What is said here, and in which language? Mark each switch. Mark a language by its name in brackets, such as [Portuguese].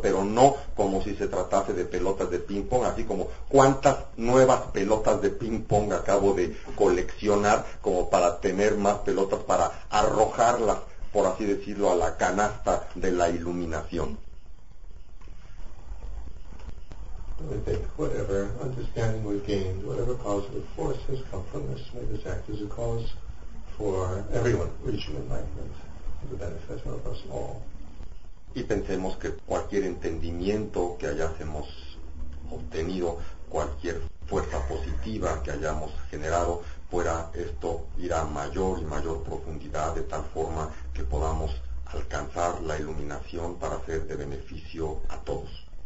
[Spanish] Pero no como si se tratase de pelotas de ping pong, así como cuántas nuevas pelotas de ping pong acabo de coleccionar como para tener más pelotas para arrojarlas, por así decirlo, a la canasta de la iluminación. [English] Whatever understanding we've gained, whatever positive force has come from this, may this act as a cause for everyone reaching enlightenment for the benefit of us all. [Spanish] Y pensemos que cualquier entendimiento que hayamos obtenido, cualquier fuerza positiva que hayamos generado, fuera esto ir a mayor y mayor profundidad de tal forma que podamos alcanzar la iluminación para ser de beneficio a todos.